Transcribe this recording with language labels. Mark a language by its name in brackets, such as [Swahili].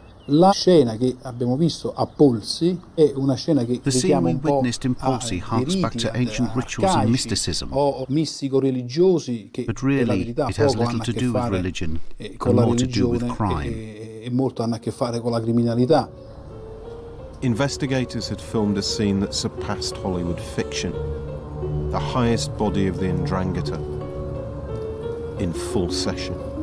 [Italian] La scena che abbiamo visto a Polsi è una scena che [English] the scene we witnessed in Polsi harks back to ancient rituals and mysticism. [Italian] O mistico-religiosi che [English] but really, it has little to do with religion, and more to do with crime. [Italian] E molto hanno a che fare con la criminalità. [English] Investigators had filmed a scene that surpassed Hollywood fiction. The highest body of the Ndrangheta in full session.